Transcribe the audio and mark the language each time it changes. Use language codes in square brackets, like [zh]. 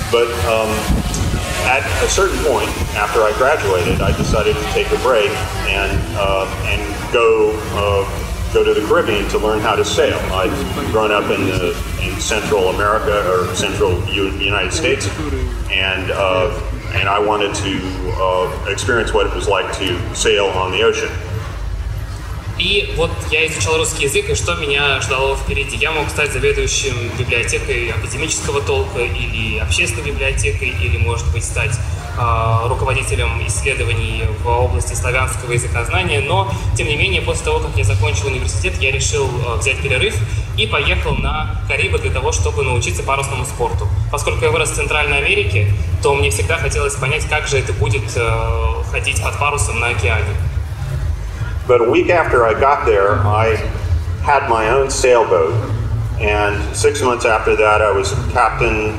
[en] But at a certain point, after I graduated, I decided to take a break and go to the Caribbean to learn how to sail. I'd grown up in Central America or Central United States, and I wanted to experience what it was like to sail on the ocean. [ru] И вот я изучал русский язык, и что меня ждало впереди? Я мог стать заведующим библиотекой академического толка или общественной библиотекой, или, может быть, стать руководителем исследований в области славянского языкознания. Но, тем не менее, после того, как я закончил университет, я решил взять перерыв и поехал на Карибы для того, чтобы научиться парусному спорту. Поскольку я вырос в Центральной Америке, то мне всегда хотелось понять, как же это будет ходить под парусом на океане. [en] But a week after I got there, I had my own sailboat, and 6 months after that, I was a captain.